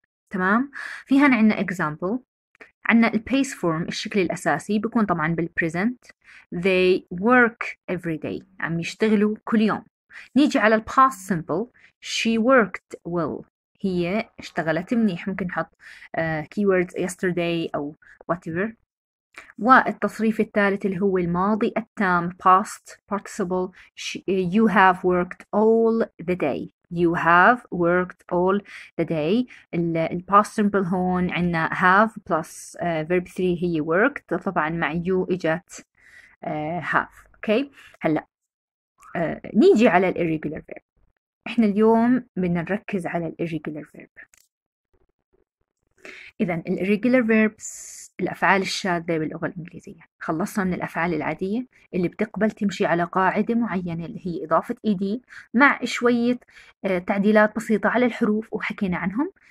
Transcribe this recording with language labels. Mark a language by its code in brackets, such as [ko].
[ar] تمام؟ في هنا عندنا example، عندنا ال base form الشكل الأساسي بيكون طبعاً بال present، [en] they work every day [ar] عم يشتغلوا كل يوم. نيجي على ال past simple، [en] she worked well [ar] هي اشتغلت منيح، ممكن نحط keywords yesterday أو whatever. والتصريف الثالث اللي هو الماضي التام [en] past participle، you have worked all the day، you have worked all the day. ال past simple [ar] هون عندنا [en] have plus verb 3 هي worked، [ar] طبعا مع [en] you اجت have. [ar] اوكي، هلا نيجي على الirregular verb. احنا اليوم بدنا نركز على الirregular verb. اذا الirregular verbs الأفعال الشاذة باللغة الإنجليزية. خلصنا من الأفعال العادية اللي بتقبل تمشي على قاعدة معينة اللي هي إضافة ED مع شوية تعديلات بسيطة على الحروف وحكينا عنهم.